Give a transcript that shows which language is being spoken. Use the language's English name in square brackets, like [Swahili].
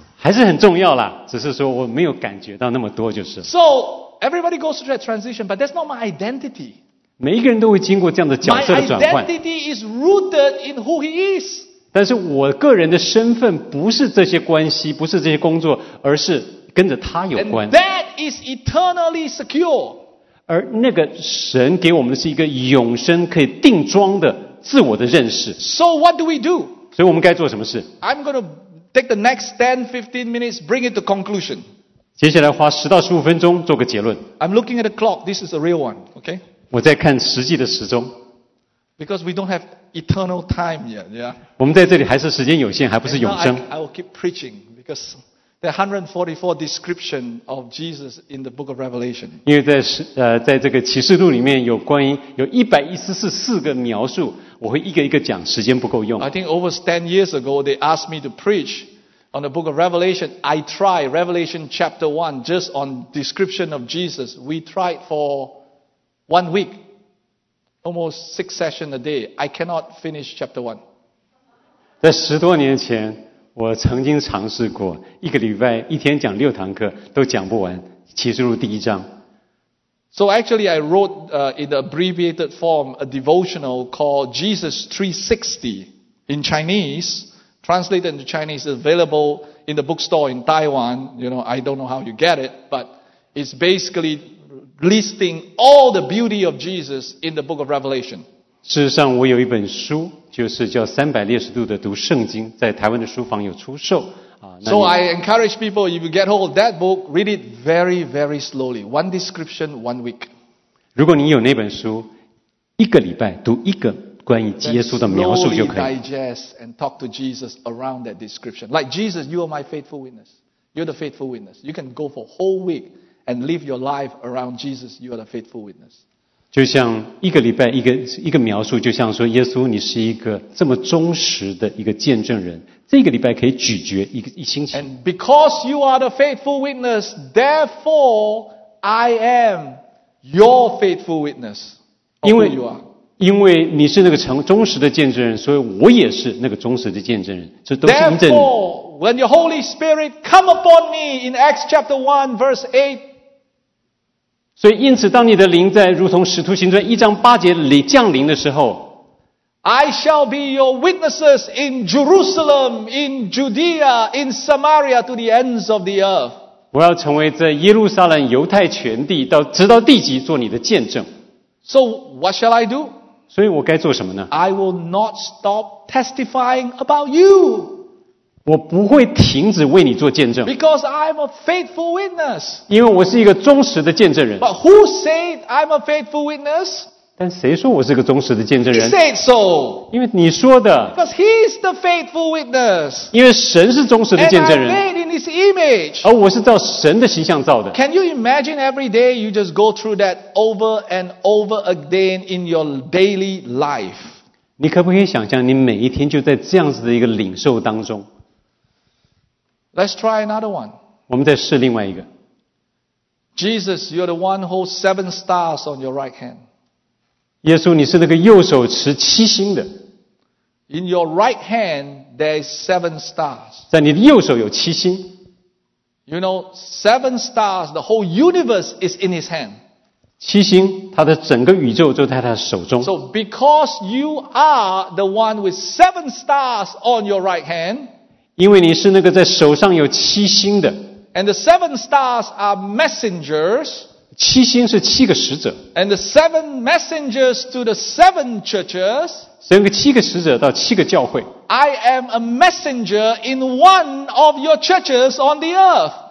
[Chinese] 还是很重要啦，只是说我没有感觉到那么多就是。 [English] So everybody goes through that transition, but that's not my identity. [Chinese] 每一个人都会经过这样的角色的转换。 [English] My identity is rooted in who he is. [Chinese] 但是我个人的身份不是这些关系，不是这些工作，而是跟着他有关。 [English] And that is eternally secure. [Chinese] 而那个神给我们的是一个永生可以定装的自我的认识。 [English] So what do we do? [Chinese] 所以我们该做什么事？ [English] I'm going to take the next 10-15 minutes, bring it to conclusion. [Chinese] 接下来花10到15分钟做个结论。 [English] I'm looking at the clock, this is a real one, okay? [Chinese] 我在看实际的时钟。 [English] Because we don't have eternal time yet, yeah? [Chinese] 我们在这里还是时间有限，还不是永生。 [English] I will keep preaching, because there are 144 descriptions of Jesus in the book of Revelation. [Chinese] 因为在这个启示录里面有关于有114个描述，我会一个一个讲，时间不够用。 [English] I think over 10 years ago, they asked me to preach on the book of Revelation. I tried Revelation chapter 1, just on description of Jesus. We tried for 1 week, almost 6 sessions a day. I cannot finish chapter 1. [Chinese] 在十多年前，我曾经尝试过一个礼拜一天讲六堂课都讲不完启示录第一章。 [English] So actually, I wrote in the abbreviated form a devotional called Jesus 360 in Chinese, translated into Chinese, available in the bookstore in Taiwan. You know, I don't know how you get it, but it's basically listing all the beauty of Jesus in the book of Revelation. [Chinese] 事实上，我有一本书，就是叫《360度的读圣经》，在台湾的书房有出售。 [English] So I encourage people, if you get hold of that book, read it very, very slowly. One description, 1 week. [Chinese] 如果你有那本书，一个礼拜读一个关于耶稣的描述就可以。 [English] Slowly digest and talk to Jesus around that description. Like Jesus, you are my faithful witness. You're the faithful witness. You can go for a whole week and live your life around Jesus. You are the faithful witness. [Chinese] 就像一个礼拜一个描述，就像说耶稣，你是一个这么忠实的一个见证人。这个礼拜可以咀嚼一星期。 [English] And because you are the faithful witness, therefore I am your faithful witness. [Chinese] 因为你是那个忠实的见证人，所以我也是那个忠实的见证人。这都是印证。 [English] Therefore, when the Holy Spirit come upon me in Acts chapter 1 verse 8. [Chinese] 所以因此当你的灵在如同使徒行传一章八节里降临的时候， [English] I shall be your witnesses in Jerusalem, in Judea, in Samaria to the ends of the earth. [Chinese] 我要成为在耶路撒冷犹太全地到直到地极做你的见证。 [English] So what shall I do? [Chinese] 所以我该做什么呢？ [English] I will not stop testifying about you. [Chinese] 我不会停止为你做见证。 [English] Because I'm a faithful witness. [Chinese] 因为我是一个忠实的见证人。 [English] But who said I'm a faithful witness? [Chinese] 但谁说我是个忠实的见证人？ [English] He said so. [Chinese] 因为你说的。 [English] Because he's the faithful witness. [Chinese] 因为神是忠实的见证人。 [English] And I'm made in his image. [Chinese] 而我是照神的形象造的。 [English] Can you imagine every day you just go through that over and over again in your daily life? [Chinese] 你可不可以想象你每一天就在这样子的一个领受当中？ [English] Let's try another one. [Chinese] 我们再试另外一个。 [English] Jesus, you're the one who holds seven stars on your right hand. [Chinese] 耶稣，你是那个右手持七星的。 [English] In your right hand, there is seven stars. [Chinese] 在你的右手有七星。 [English] You know, seven stars, the whole universe is in his hand. [Chinese] 七星，他的整个宇宙就在他手中。 [English] So because you are the one with seven stars on your right hand, [Chinese] 因为你是那个在手上有七星的。 [English] And the seven stars are messengers. [Chinese] 七星是七个使者。 [English] And the seven messengers to the seven churches. [Chinese] 整个七个使者到七个教会。 [English] I am a messenger in one of your churches on the earth.